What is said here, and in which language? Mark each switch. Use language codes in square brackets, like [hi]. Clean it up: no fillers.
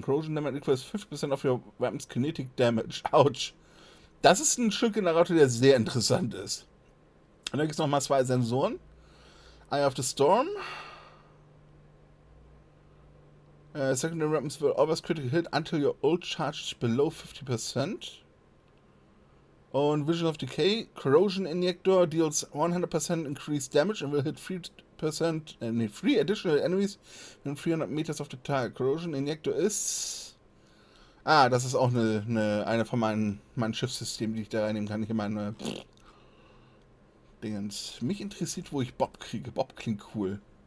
[en] Corrosion damage equals 50% of your weapon's kinetic damage. Ouch. [de] Das ist ein Schildgenerator, der sehr interessant ist. Und dann gibt es nochmal 2 Sensoren. Eye of the Storm. [en] Secondary weapons will always critical hit until your ult charge is below 50%. Und Vision of Decay, Corrosion Injector deals 100% increased damage and will hit 3%, nee, 3 additional enemies in 300 meters of the target. [de] Corrosion Injector ist... Ah, das ist auch eine von meinen Schiffssystemen, die ich da reinnehmen kann. Hier meine... Dingens. Mich interessiert, wo ich Bob kriege. Bob klingt cool.